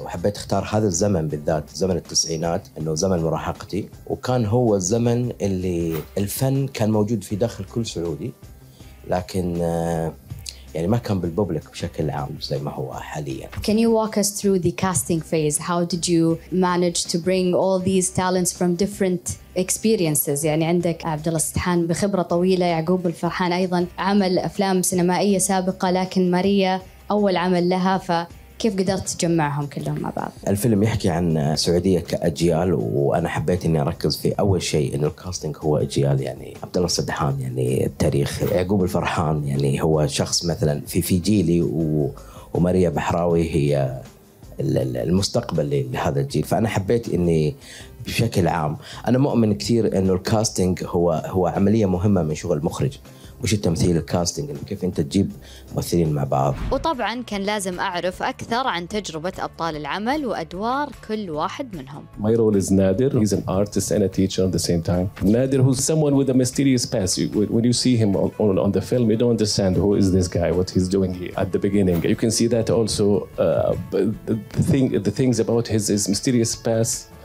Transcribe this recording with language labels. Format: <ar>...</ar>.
<ar>وحبيت اختار هذا الزمن بالذات، زمن التسعينات، أنه زمن مراهقتي، وكان هو الزمن اللي الفن كان موجود في داخل كل سعودي، لكن يعني ما كان بالببليك بشكل عام زي ما هو حاليا.</ar> <en>Can you walk us through the casting phase? How did you manage to bring all these talents from different experiences؟</en> <ar>يعني عندك عبد الله السدحان بخبرة طويلة، يعقوب الفرحان أيضا عمل أفلام سينمائية سابقة، لكن ماريا أول عمل لها، ف كيف قدرت تجمعهم كلهم مع بعض؟ الفيلم يحكي عن سعودية كأجيال، وأنا حبيت إني أركز في أول شيء إن الكاستنج هو أجيال، يعني عبد الله السدحان يعني التاريخ، يعقوب الفرحان يعني هو شخص مثلاً في جيلي، وماريا بحراوي هي المستقبل لهذا الجيل. فأنا حبيت إني بشكل عام، أنا مؤمن كثير إنه الكاستنج هو عملية مهمة من شغل المخرج. وش التمثيل الكاستنج، كيف انت تجيب ممثلين مع بعض؟ وطبعا كان لازم اعرف اكثر عن تجربه ابطال العمل وادوار كل واحد منهم.</ar> <en>My role is Nadir. He's an artist and a teacher at the same time. Nadir, who's someone with a mysterious past. When you see him on the film, you don't understand who is this guy, what he's doing here at the beginning. You can see that also the things about his mysterious past.</en>